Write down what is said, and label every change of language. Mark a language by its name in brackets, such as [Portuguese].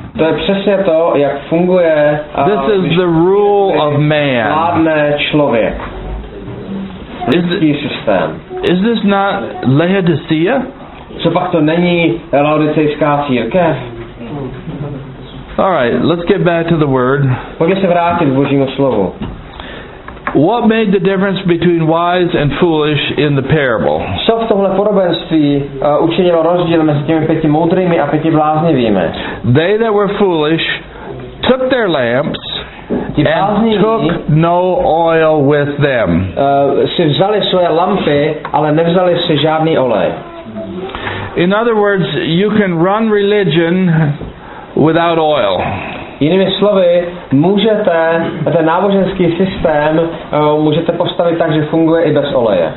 [Czech] To je přesně to, jak funguje. [English] This is the rule of man. [Czech] Vládne člověk. Lidský systém. [English] Is this not Laodicea? [Czech] Copak to není Laodicejská církev? [English] All right, let's get back to the word. [Czech] Pojďme se vrátit k Božímu slovu. [English] What made the difference between wise and foolish in the parable? [Czech] Co v tomhle podobenství učinilo rozdíl mezi těmi pěti moudrými a pěti bláznivými? [English] They that were foolish took their lamps and took no oil with them. [Czech] Si vzali svoje lampy, ale nevzali si žádný olej. [English] In other words, you can run religion without oil. [Czech] Jinými slovy, můžete ten náboženský systém můžete postavit tak, že funguje i bez oleje.